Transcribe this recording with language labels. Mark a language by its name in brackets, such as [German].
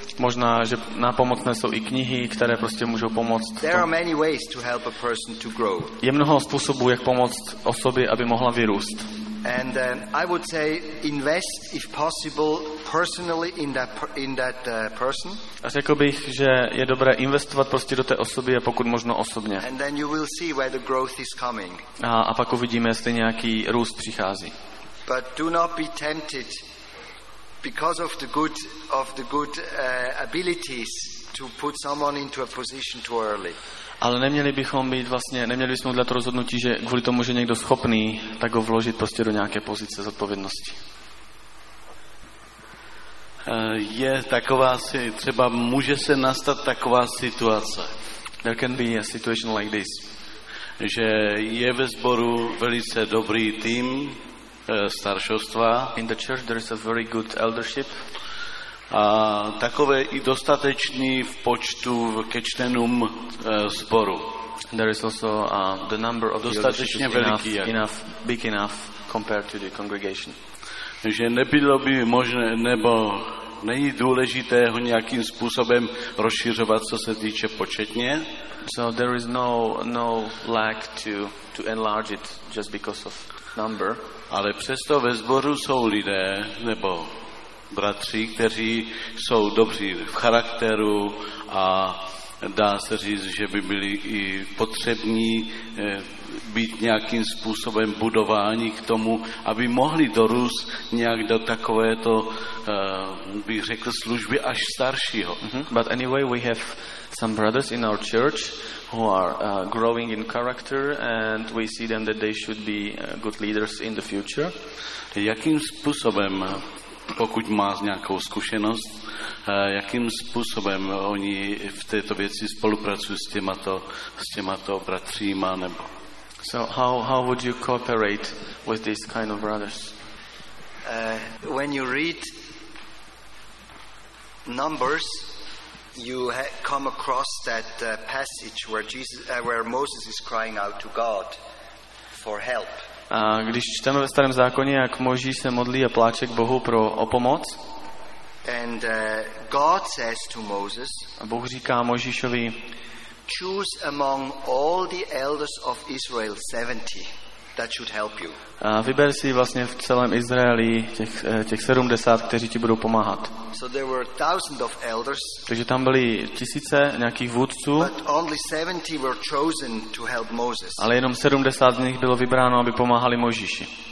[Czech] Možná, že nápomocné jsou i knihy, které prostě můžou pomoct. [English] There are many ways to help a person to grow. [Czech] Je mnoho způsobů, jak pomoct osobě, aby mohla vyrůst. [English] And I would say invest if possible personally in that person. [Czech] A řekl bych, že je dobré investovat prostě do té osoby, pokud možno osobně. [English] And then you will see where the growth is coming. [Czech] A pak uvidíme, jestli nějaký růst přichází. [English] But do not be tempted because of the good abilities to put someone into a position too early. [Czech] Ale neměli bychom udělat to rozhodnutí, že kvůli tomu, že někdo schopný, tak ho vložit prostě do nějaké pozice zodpovědnosti. Je taková si třeba může se nastat taková situace. [English] There can be a situation like this. [Czech] Že je ve sboru velice dobrý tým staršovstva. [English] In the church there is a very good eldership. [Czech] A takové i dostatečný v počtu ke členům sboru. [English] There is also the number of [Czech] dostatečně [English] the eldership [Czech] veliký, [English] enough, big enough compared to the congregation. [Czech] Že nebylo by možné, nebo není důležité ho nějakým způsobem rozšiřovat, co se týče početně. [English] So there is no lack to enlarge it just because of number. [Czech] Ale přesto ve sboru jsou lidé nebo bratři, kteří jsou dobří v charakteru a dá se říct, že by byli i potřební být nějakým způsobem budování k tomu, aby mohli dorůst nějak do takovéto, bych řekl, služby až staršího. Mm-hmm. [English] But anyway, we have some brothers in our church who are growing in character, and we see them that they should be good leaders in the future. [Czech] Jakým způsobem, pokud máš nějakou zkušenost, jakým způsobem oni v této věci spolupracují s těmato bratříma nebo? [English] So how would you cooperate with these kind of brothers? When you read Numbers, you come across that passage where Jesus, where Moses is crying out to God for help. [Czech] A když čteme ve Starém zákoně, jak Mojžíš se modlí a pláče k Bohu pro o pomoc. [English] And God says to Moses. [Czech] A Bůh říká Mojžíšovi. [English] Choose among all the elders of Israel 70 that should help you. [Czech] A vyber si vlastně v celém Izraeli těch 70, kteří ti budou pomáhat. [English] So there were thousands of elders. [Czech] Takže tam byly tisíce nějakých vůdců. [English] But only 70 were chosen to help Moses. [Czech] Ale jenom 70 z nich bylo vybráno, aby pomáhali Mojžíši.